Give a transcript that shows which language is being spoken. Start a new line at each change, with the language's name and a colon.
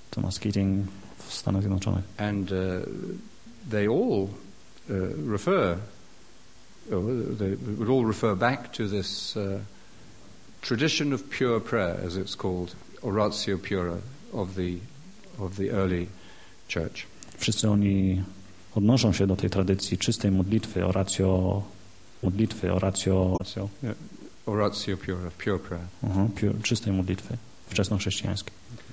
Polish: Thomas Keating w Stanach Zjednoczonych.
English: And they all refer, they would all refer back to this tradition of pure prayer, as it's called, oratio pura, of the early church.
Polish: Wszyscy oni odnoszą się do tej tradycji czystej modlitwy, oratio
English: pura, pure prayer.
Polish: Czystej modlitwy, wczesnochrześcijańskiej.